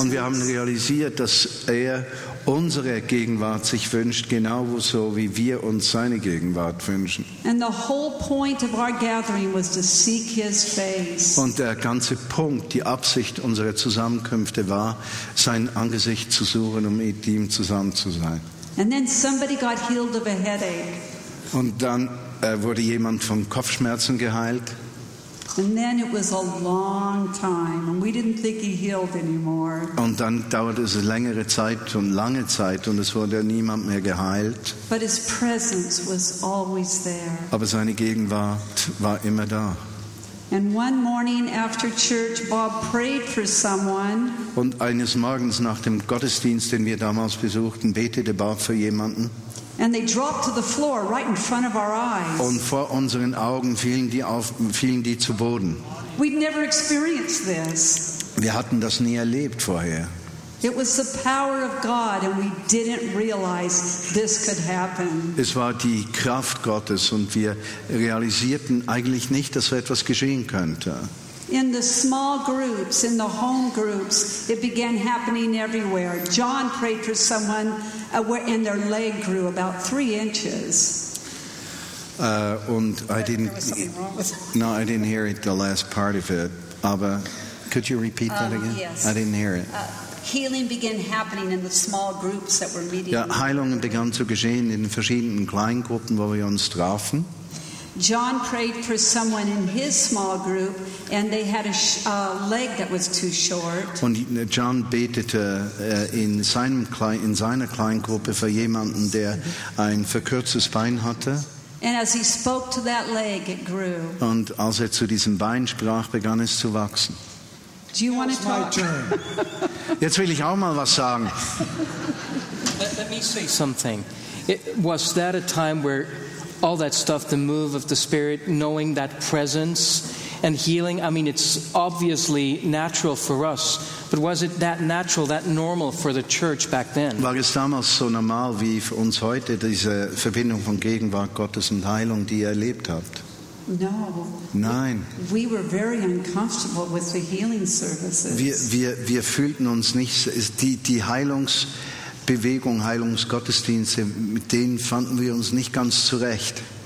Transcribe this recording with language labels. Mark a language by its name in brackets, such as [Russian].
[German] Und wir haben realisiert, dass unsere Gegenwart sich wünscht, genauso wie wir uns seine Gegenwart wünschen. [English] And the whole point of our gathering was to seek his face. [German] Und der ganze Punkt, die Absicht unserer Zusammenkünfte war, sein Angesicht zu suchen, um mit ihm zusammen zu sein. [English] And then somebody got healed of a headache. [German] Und dann wurde jemand von Kopfschmerzen geheilt. [English] And then it was a long time, and we didn't think he healed anymore. [German] Und dann dauerte es längere Zeit und lange Zeit, und es wurde niemand mehr geheilt. [English] But his presence was always there. [German] Aber seine Gegenwart war immer da. [English] And one morning after church, Bob prayed for someone. [German] Und eines Morgens nach dem Gottesdienst, den wir damals besuchten, betete Bob für jemanden. [English] And they dropped to the floor right in front of our eyes. [German] Und vor unseren Augen fielen die zu Boden. [English] We'd never experienced this. [German] Wir hatten das nie erlebt vorher. [English] It was the power of God, and we didn't realize this could happen. [German] Es war die Kraft Gottes, und wir realisierten eigentlich nicht, dass so etwas geschehen könnte. [English] In the small groups, in the home groups, it began happening everywhere. John prayed for someone, and their leg grew about 3 inches. And I didn't hear it, the last part of it. Abba, could you repeat that again? Yes. I didn't hear it. Healing began happening in the small groups that were meeting. [German] Ja, Heilungen begannen zu geschehen in verschiedenen Kleingruppen, wo wir uns trafen. [English] John prayed for someone in his small group, and they had a leg that was too short. [German] Und John betete in seiner Kleingruppe für jemanden, der ein verkürztes Bein hatte. [English] And as he spoke to that leg, it grew. [German] Und als zu diesem Bein sprach, begann es zu wachsen. [English] Do you want to talk? My turn. [German] Jetzt will ich auch mal was sagen. [English] Let me say something. It was that a time where all that stuff, the move of the Spirit, knowing that presence and healing, I mean, it's obviously natural for us, but was it that natural, that normal for the church back then? [German] War es damals so normal wie für uns heute, diese Verbindung von Gegenwart Gottes und Heilung, die ihr erlebt habt? [English] No. [German] Nein. [English] We were very uncomfortable with the healing services. [German] Wir fühlten uns nicht, die Heilungsbewegung, Heilungsgottesdienste, mit denen fanden wir uns nicht ganz zurecht.